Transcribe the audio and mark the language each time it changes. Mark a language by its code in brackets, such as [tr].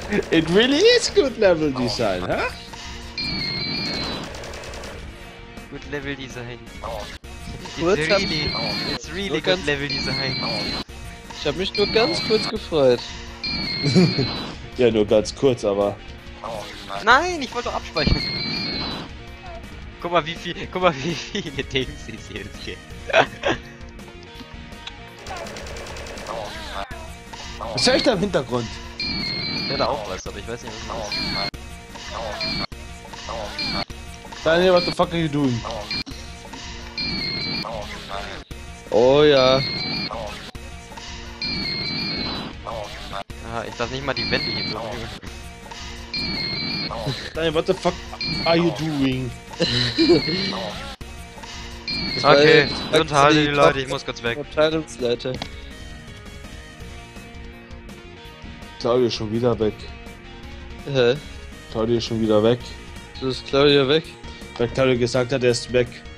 [en] It really is good Level Design, huh? Good Level Design. It's really good Level Design. [de] Ich hab mich nur ganz kurz gefreut. Ja, nur ganz kurz, aber. Nein, ich wollte doch abspeichern. Guck mal, wie viele Dings es hier gibt. Was höre ich da im Hintergrund? Ich höre da auch was, aber ich weiß nicht, was das ist. [en] Daniel, what the fuck are you doing? [de] Oh ja. Ah, ich darf nicht mal die Wände hier drücken. [en] Daniel, what the fuck are you doing? [de] Okay, und halte die Leute, ich muss kurz weg. Abteilungsleiter. Claudio ist schon wieder weg. Hä? Claudio ist schon wieder weg. Du bist Claudio weg? Weil Claudio gesagt hat, er ist weg.